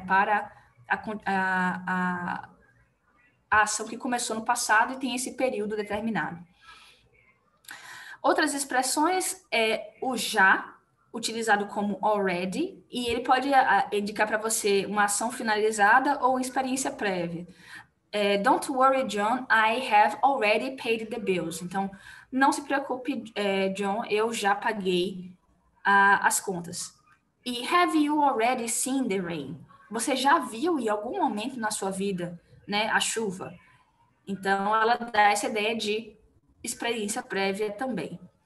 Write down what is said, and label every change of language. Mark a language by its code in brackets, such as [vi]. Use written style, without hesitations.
[pt] Para a ação que começou no passado e tem esse período determinado. Outras expressões é o já, utilizado como already, e ele pode indicar para você uma ação finalizada ou uma experiência prévia. [en] Don't worry, John, I have already paid the bills. [pt] Então, não se preocupe, John, eu já paguei as contas. E [en] have you already seen the rain? [pt] Você já viu em algum momento na sua vida, né, a chuva? Então, ela dá essa ideia de experiência prévia também.